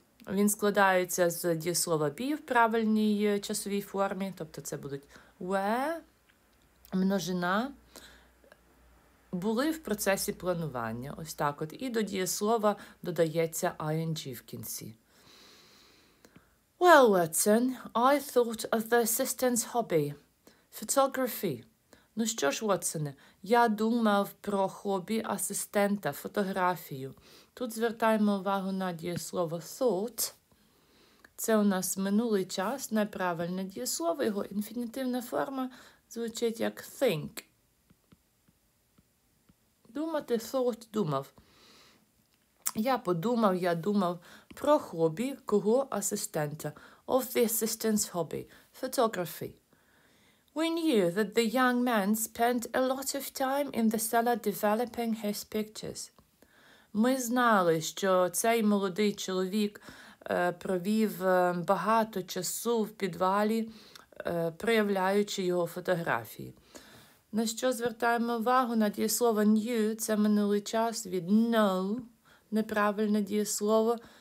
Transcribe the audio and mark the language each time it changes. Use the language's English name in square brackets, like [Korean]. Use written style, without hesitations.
[Ukrainian] Він складається з дієслова be в правильній часовій формі, тобто це будуть were, множина, були в процесі планування. Ось так от. І до дієслова додається ing в кінці. [English] Well, Watson, I thought of the assistant's hobby, photography. [Ukrainian] Ну що ж, Уотсоне, я думав про хобі асистента, фотографію. Тут звертаємо увагу на дієслово thought. Це у нас минулий час, неправильне дієслово, його інфінітивна форма звучить як think. Думати, thought, думав. Я подумав, я думав про хобі кого асистента. [English] Of the assistant's hobby, photography. We knew that the young man spent a lot of time in the cellar developing his pictures. [Ukrainian] Ми знали, що цей молодий чоловік провів багато часу в підвалі, проявляючи його фотографії. На що звертаємо увагу? На дієслово knew, це минулий час, від know, неправильне дієслово.